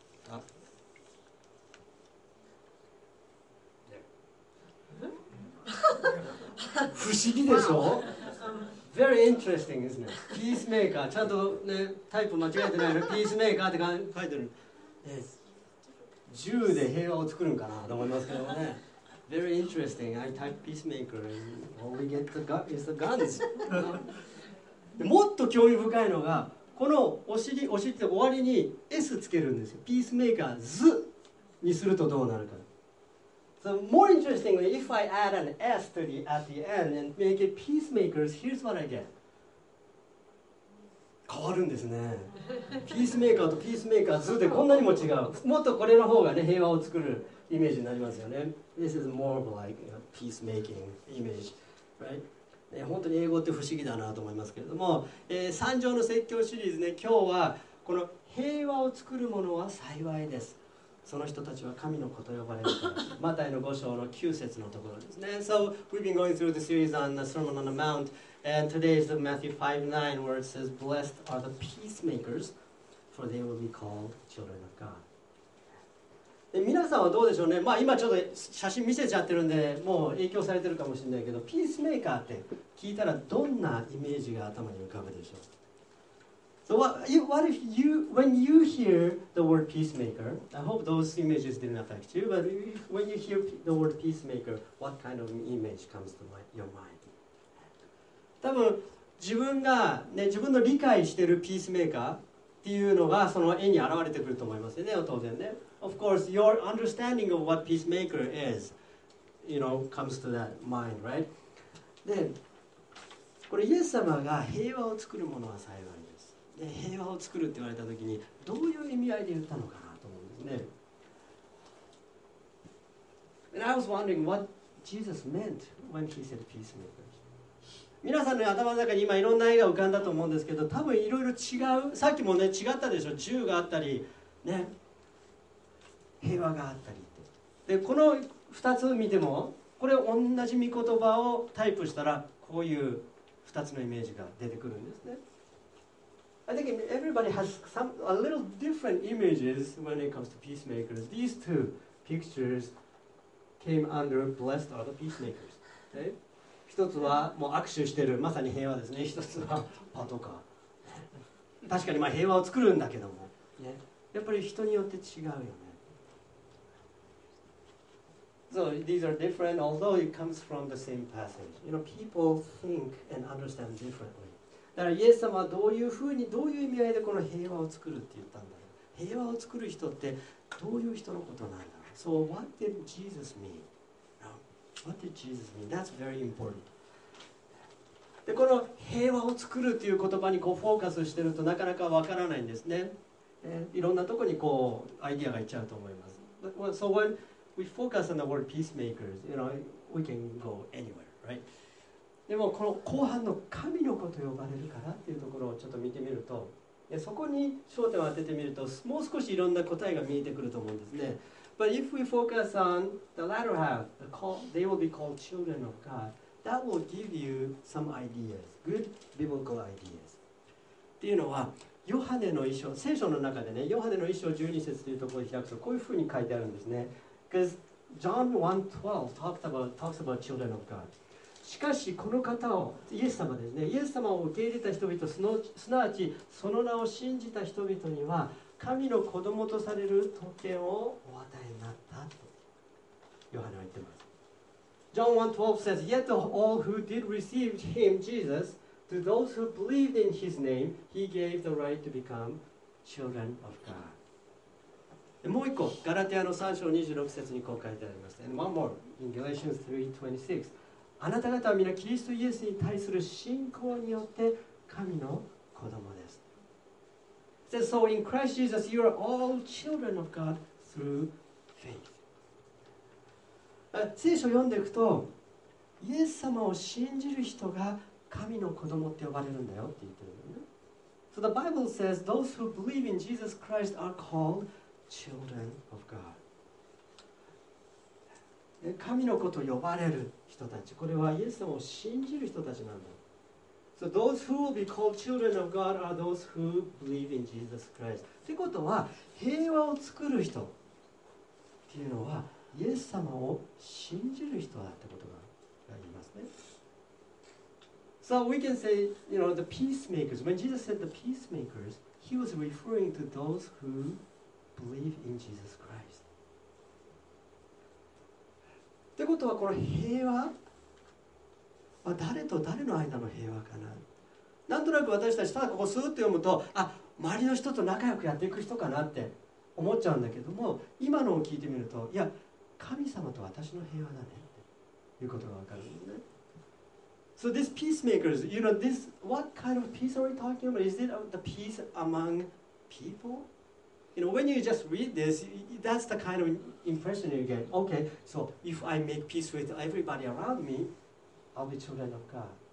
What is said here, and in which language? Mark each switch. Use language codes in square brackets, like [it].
[ja] あ、不思議でしょ。 [en] Very interesting, isn't it? [ja] ピースメーカー、ちゃんとね、タイプ間違えてないの。ピースメーカーって書いてる。銃で平和を作るんかなと思いますけどね。 [en] Very interesting, I type peacemaker and all we get is the guns. [ja] もっと興味深いのが、このお尻って終わりに S つけるんですよ。ピースメーカー図にするとどうなるか。 [en] So more interestingly, if I add an S to the at the end and make it peacemakers, here's what I get. [ja] 変わるんですね。ピースメーカーとピースメーカー図でこんなにも違う。もっとこれの方がね、平和を作るイメージになりますよね。 [en] This is more of like a peacemaking image, right? [ja] 本当に英語って不思議だなと思いますけれども、三条の説教シリーズね、今日はこの平和を作るものは幸いです、その人たちは神の子と呼ばれるマタイの5章の9節のところですね。 [en] So we've been going through the series on the Sermon on the Mount, and today is the Matthew 5:9 where it says, Blessed are the peacemakers, for they will be called children of God. [ja] 皆さんはどうでしょうね。まあ今ちょっと写真見せちゃってるんでもう影響されてるかもしれないけど、ピースメーカーって聞いたらどんなイメージが頭に浮かぶでしょう。 [en] So what if you, when you hear the word peacemaker, I hope those images didn't affect you, but if, when you hear the word peacemaker, what kind of image comes to your mind? [ja] 多分自分が、ね、自分の理解しているピースメーカーっていうのがその絵に現れてくると思いますよね、当然ね。 [en] Of course, your understanding of what peacemaker is, you know, comes to that mind, right? [ja] Then,これイエス様が平和を作るものは幸いです。で、平和を作るって言われたときにどういう意味合いで言ったのかなと思うんですね。 [en] And I was wondering what Jesus meant when he said peacemaker. [ja] 皆さんの頭の中に今いろんな絵が浮かんだと思うんですけど、多分いろいろ違う。さっきもね、違ったでしょ。銃があったりね、平和があったりって。で、この2つ見てもこれ同じ御言葉をタイプしたらこういう2つのイメージが出てくるんですね。 [en] I think everybody has some, a little different images when it comes to peacemakers. These two pictures came under blessed are the peacemakers. [ja] 一つはもう握手してる、まさに平和ですね。一つはパトカー。確かにまあ平和を作るんだけども、ね、やっぱり人によって違うよね。 [en] So these are different, although it comes from the same passage. You know, people think and understand differently. [ja] だからイエス様はどういうふうに、どういう意味合いでこの平和を作るって言ったんだろう。平和を作る人ってどういう人のことなんだろう。 [en] So what did Jesus mean? What did Jesus mean? That's very important. [ja] で、この平和を作るっていう言葉にこうフォーカスしてるとなかなかわからないんですね。いろんなとこにこうアイディアがいっちゃうと思います。 [en] So when we focus on the word peacemakers, you know, we can go anywhere, right? [ja] でもこの後半の神の子と呼ばれるからっていうところをちょっと見てみると、そこに焦点を当ててみると、もう少しいろんな答えが見えてくると思うんですね。 [en] But if we focus on the latter half, the call, they will be called children of God, that will give you some ideas, good biblical ideas. [ja] っていうのは、ヨハネの一章、聖書の中でね、ヨハネの一章12節というところで開くと、こういうふうに書いてあるんですね。 [en] Because John 1:12 talks about children of God. [ja] しかしこの方を、イエス様ですね、イエス様を受け入れた人々、すなわちその名を信じた人々には、神の子供とされる特権をお与えになったと、ヨハネは言っています。 [en] John 1:12 says, Yet to all who did receive him, Jesus, to those who believed in his name, he gave the right to become children of God. [ja] もう一個、ガラテアの3章26節にこう書いてあります。 [en] And one more, in Galatians 3:26, [ja] あなた方は皆キリストイエスに対する信仰によって神の子供です。 [en] So in Christ Jesus, you are all children of God through faith. [ja] 聖書を読んでいくと、イエス様を信じる人が神の子供って呼ばれるんだよって言ってるのね。 [en] So the Bible says those who believe in Jesus Christ are called children of God. [ja] 神の子と呼ばれる人たち、これはイエス様を信じる人たちなんだ。 [en] So those who will be called children of God are those who believe in Jesus Christ. [ja] ってことは、平和を作る人っていうのは、イエス様を信じる人だってことが言いますね。 [en] So we can say, you know, the peacemakers. When Jesus said the peacemakers, he was referring to those who believe in Jesus Christ. [ja] ってことは、この平和、誰と誰の間の平和かな。なんとなく私たちただここスーッと読むと、あ、周りの人と仲良くやっていく人かなって思っちゃうんだけども、今のを聞いてみると、いや、神様と私の平和だねっていうことが分かるんですね。 [en] So this peacemakers, you know, this, what kind of peace are we talking about? Is it the peace among people? You know, when you just read this, that's the kind of impression you get. Okay, so if I make peace with everybody around meI'll be children of God.